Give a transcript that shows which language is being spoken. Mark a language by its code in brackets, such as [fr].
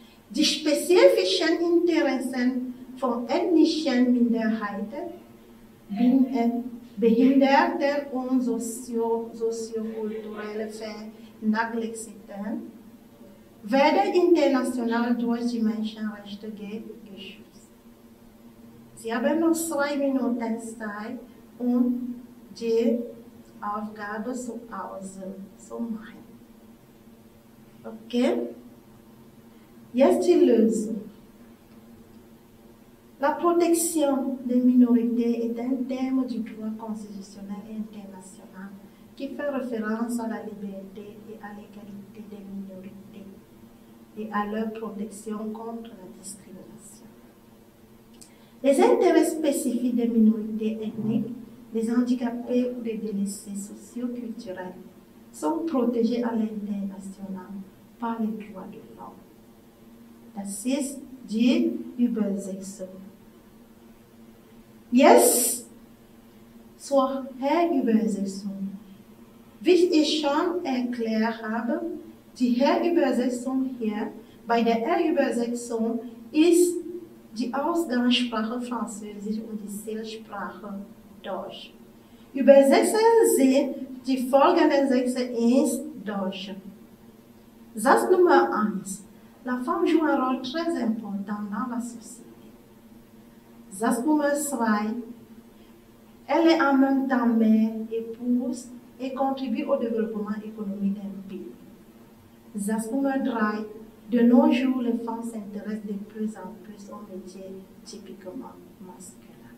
[de] Die spezifischen Interessen von ethnischen Minderheiten, Behinderten und soziokulturellen Vernachlässigten werden international durch die Menschenrechte geschützt. Sie haben noch 2 Minuten Zeit, um die Aufgabe zu Hause zu machen. Okay? Jetzt die Lösung. [fr] La protection des minorités est un terme du droit constitutionnel et international qui fait référence à la liberté et à l'égalité des minorités et à leur protection contre la discrimination. Les intérêts spécifiques des minorités ethniques, des handicapés ou des délaissés socioculturels sont protégés à l'international par les droits de l'homme. [de] Das ist die Übersetzung. Jetzt zur Herübersetzung. Wie ich schon erklärt habe, die Herübersetzung hier, bei der Herübersetzung ist die Ausgangssprache Französisch und die Zielsprache Deutsch. Übersetzen Sie die folgenden Sätze ins Deutsche. Satz Nummer 1. [fr] La femme joue un rôle très important dans la société. [de] Satz Nummer 2. [fr] Elle est en même temps mère, épouse et contribue au développement économique d'un pays. [de] Satz Nummer 3. [fr] De nos jours, les femmes s'intéressent de plus en plus aux métiers typiquement masculins.